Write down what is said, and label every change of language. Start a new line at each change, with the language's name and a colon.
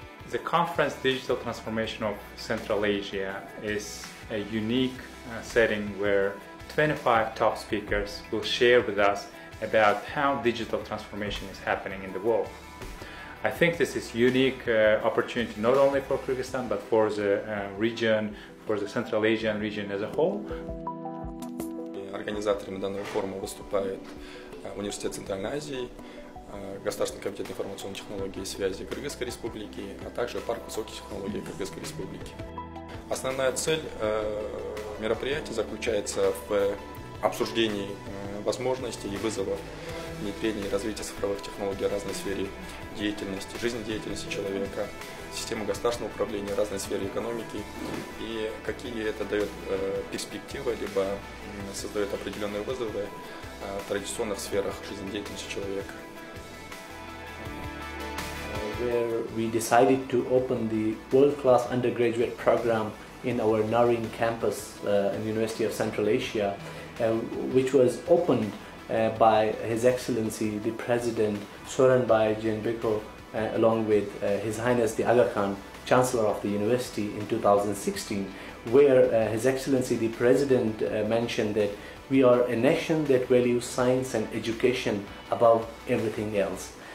English: The conference Digital Transformation of Central Asia is a unique setting where 25 top speakers will share with us about how digital transformation is happening in the world. I think this is unique opportunity not only for Kyrgyzstan but for the region, for the Central Asian region as a whole.
Russian: Организаторами данного форума выступают Университет Центральной Азии, Государственный комитет информационной технологии и связи Кыргызской Республики, а также Парк высоких технологий Кыргызской Республики. Основная цель мероприятия заключается в обсуждении возможностей и вызовов внедрения и развития цифровых технологий в разной сфере деятельности, жизнедеятельности человека, системы государственного управления, разной сфере экономики и какие это дает перспективы, либо создает определенные вызовы в традиционных сферах жизнедеятельности человека.
English: Where we decided to open the world-class undergraduate program in our Naryn campus in the University of Central Asia, which was opened by His Excellency the President Sooronbay Jeenbekov along with His Highness the Aga Khan, Chancellor of the University in 2016, where His Excellency the President mentioned that we are a nation that values science and education above everything else.